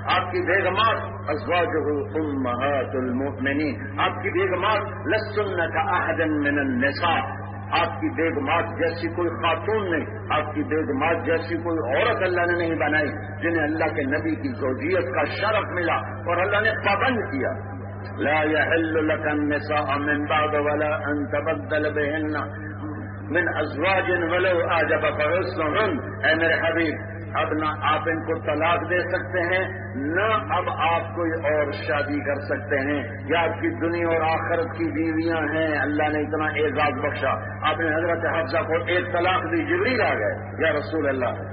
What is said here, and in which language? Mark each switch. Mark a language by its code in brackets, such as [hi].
[ur] آپ کی بیگمات ازواجہ امہات المؤمنین, آپ کی بیگمات [ar] لسن کا احد من النساء, [ur] آپ کی بیگمات جیسی کوئی خاتون نہیں, آپ کی بیگمات جیسی کوئی عورت اللہ نے نہیں بنائی جنہیں اللہ کے نبی کی زوجیت کا شرف ملا اور اللہ نے پابند کیا. [ar] لا يحل لك النساء من بعد ولا ان تبدل بهن من ازواج ولو اعجبك حسنهن. [ur] اے میرے حبیب, اب نہ آپ ان کو طلاق دے سکتے ہیں نہ اب آپ کوئی اور شادی کر سکتے ہیں. یہ آپ کی دنیا اور آخرت کی بیویاں ہیں, اللہ نے اتنا اعزاز بخشا. آپ نے حضرت حفظہ کو ایک طلاق دی, جبریل آ گئے یا رسول اللہ.